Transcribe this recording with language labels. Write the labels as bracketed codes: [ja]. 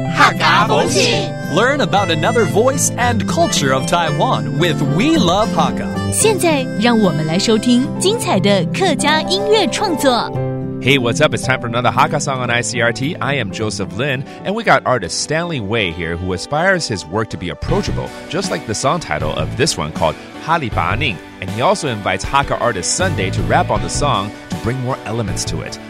[en] Learn about another voice and culture of Taiwan with We Love Hakka. [zh] 现在让我们来收听精彩的客家音乐创作。 [en] Hey, what's up? It's time for another Hakka song on ICRT. I am Joseph Lin, and we got artist Stanley Wei here, who aspires his work to be approachable, just like the song title of this one called 哈里巴宁. And he also invites Hakka artist Sunday to rap on the song to bring more elements to it.